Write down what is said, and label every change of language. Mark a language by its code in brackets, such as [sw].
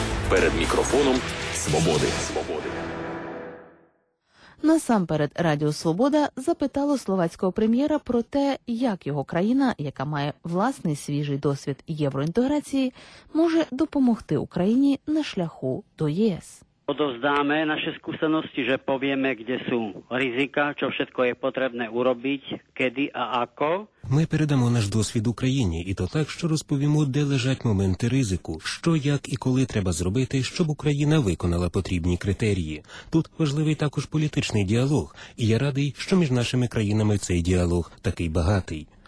[uk] Перед мікрофоном свободи. Насамперед, Радіо Свобода запитало словацького прем'єра про те, як його країна, яка має власний свіжий досвід євроінтеграції, може допомогти Україні на шляху до ЄС. [sk] Odovzdáme naše skúsenosti, že povieme, kde sú rizika, čo všetko je potrebné urobiť, kedy a ako. [uk] Ми передамо наш досвід Україні, і то так, що розповімо, де лежать моменти ризику, що, як і коли треба зробити, щоб Україна виконала потрібні критерії. Тут важливий також політичний діалог, і я радий, що між нашими країнами цей діалог такий багатий.